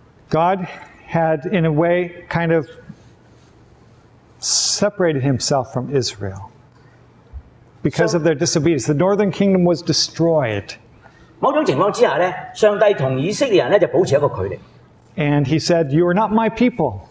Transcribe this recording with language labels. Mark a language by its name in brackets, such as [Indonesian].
[English] God had, in a way, kind of separated himself from Israel because of their disobedience. The northern kingdom was destroyed. [Cantonese] 某种情况之下咧，上帝同以色列人咧就保持一个距离。 [English] And he said, "You are not my people."